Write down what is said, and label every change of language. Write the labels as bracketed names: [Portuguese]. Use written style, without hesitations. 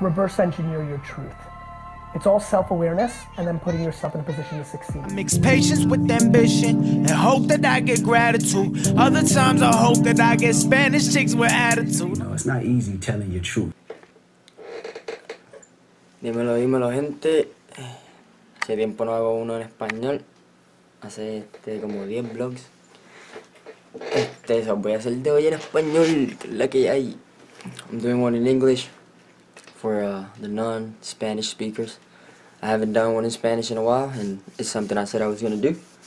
[English] Reverse engineer your truth. It's all self-awareness and then putting yourself in a position to succeed. I mix patience with ambition and hope that I get gratitude. Other times I hope that I get Spanish chicks with attitude. No, it's not easy telling your truth. [Spanish] Dímelo, dímelo, gente. Hace tiempo no hago uno en español. Hace como 10 vlogs. Eso, voy a hacer de hoy en español, la que hay. [English] I'm doing one in English for the non-Spanish speakers. I haven't done one in Spanish in a while, and it's something I said I was going to do.